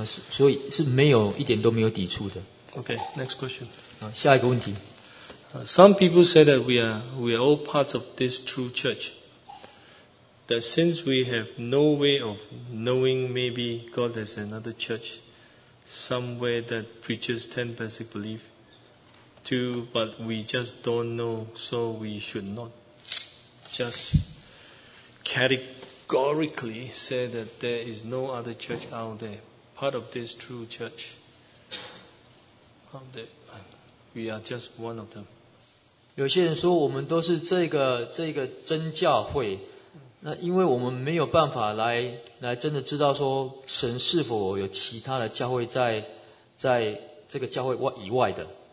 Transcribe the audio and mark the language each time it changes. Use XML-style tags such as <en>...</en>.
<zh>所以是没有一点都没有抵触的。</zh> <en>Okay, next question.</en> <zh>下一个问题。</zh> <en>Some people say that we are all part of this true church. That since we have no way of knowing, maybe God has another church somewhere that preaches 10 basic beliefs too, but we just don't know, so we should not just categorically say that there is no other church out there, part of this true church, that we are just one of them.</en> <zh>有些人说我们都是这个真教会, 那因为我们没有办法来真的知道说神是否有其他的教会在这个教会以外的。</zh>